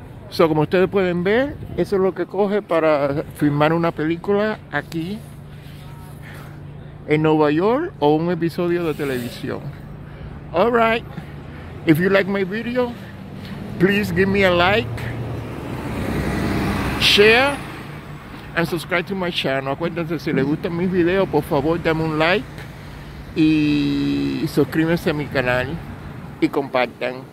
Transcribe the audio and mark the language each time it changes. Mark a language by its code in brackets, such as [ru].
[es] So, como ustedes pueden ver, eso es lo que coge para filmar una película aquí en Nueva York o un episodio de televisión. [en] All right. If you like my video, please give me a like, share, and subscribe to my channel. [es] Acuérdense, si les gustan mis videos, por favor, dame un like y suscríbanse a mi canal y compartan.